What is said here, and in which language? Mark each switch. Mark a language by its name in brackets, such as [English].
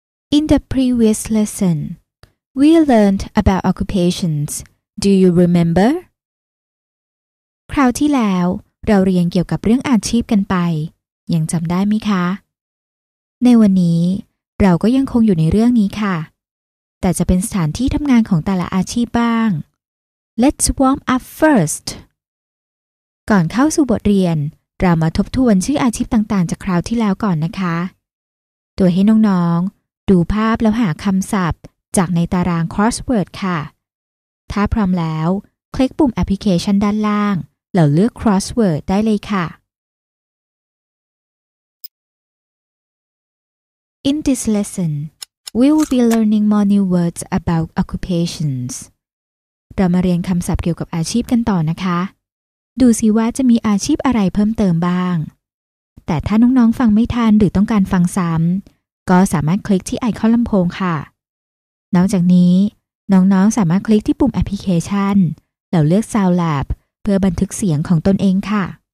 [English] In the previous lesson, we learned about occupations. Do you remember? [Thai] คราวที่แล้วเราเรียนเกี่ยวกับเรื่องอาชีพกันไปยังจำได้ไหมคะในวันนี้เราก็ยังคงอยู่ในเรื่องนี้ค่ะแต่จะเป็นสถานที่ทำงานของแต่ละอาชีพบ้าง [English] Let's warm up first. [Thai] ก่อนเข้าสู่บทเรียนเรามาทบทวนชื่ออาชีพต่างๆจากคราวที่แล้วก่อนนะคะตัวให้น้องๆดูภาพแล้วหาคำศัพท์จากในตาราง crossword ค่ะถ้าพร้อมแล้วคลิกปุ่มแอปพลิเคชันด้านล่างแล้วเลือก crossword ได้เลยค่ะ [English] In this lesson we will be learning more new words about occupations [Thai] เรามาเรียนคำศัพท์เกี่ยวกับอาชีพกันต่อนะคะดูสิว่าจะมีอาชีพอะไรเพิ่มเติมบ้างแต่ถ้าน้องๆฟังไม่ทันหรือต้องการฟังซ้ำก็สามารถคลิกที่ไอคอนลำโพงค่ะนอกจากนี้น้องๆสามารถคลิกที่ปุ่มแอปพลิเคชันแล้วเลือก Sound Lab เพื่อบันทึกเสียงของตนเองค่ะ